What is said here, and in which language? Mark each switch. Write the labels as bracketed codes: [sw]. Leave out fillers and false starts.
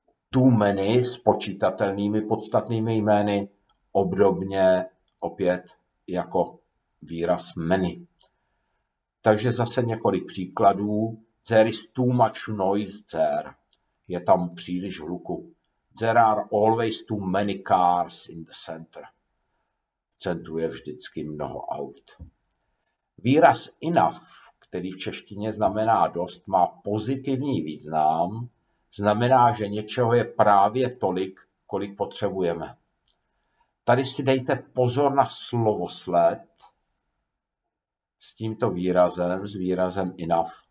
[cs] Too many s počítatelnými podstatnými jmény, obdobně opět jako výraz many. Takže zase několik příkladů. [en] There is too much noise there. [cs] Je tam příliš hluku. [en] There are always too many cars in the center. [cs] V centru je vždycky mnoho aut. Výraz enough, který v češtině znamená dost, má pozitivní význam. Znamená, že něčeho je právě tolik, kolik potřebujeme. Tady si dejte pozor na slovosled s tímto výrazem, s výrazem enough.